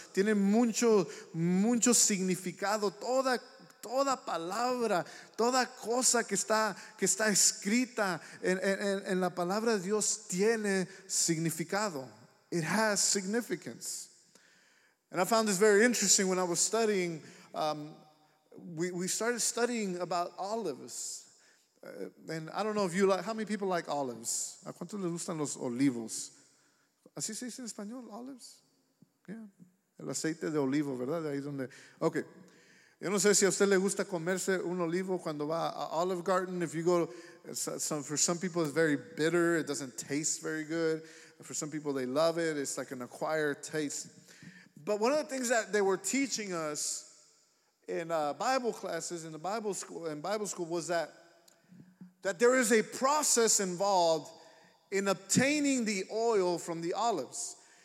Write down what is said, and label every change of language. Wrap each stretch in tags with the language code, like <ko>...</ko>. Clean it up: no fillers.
<es>Tiene mucho, mucho significado. Toda palabra, toda cosa que está escrita en la palabra de Dios tiene significado.</es> <en>It has significance. And I found this very interesting when I was studying. We started studying about olives. And I don't know if you like, how many people like olives?</en> <es>¿A cuánto les gustan los olivos? ¿Así se dice en español, olives? Yeah. El aceite de olivo, ¿verdad? De ahí donde, okay. Yo no sé si a usted le gusta comerse un olivo cuando va a Olive Garden.</es> <en>If you go, for some people it's very bitter. It doesn't taste very good. For some people they love it. It's like an acquired taste. But one of the things that they were teaching us in Bible classes, in Bible school, was that there is a process involved in obtaining the oil from the olives.</en>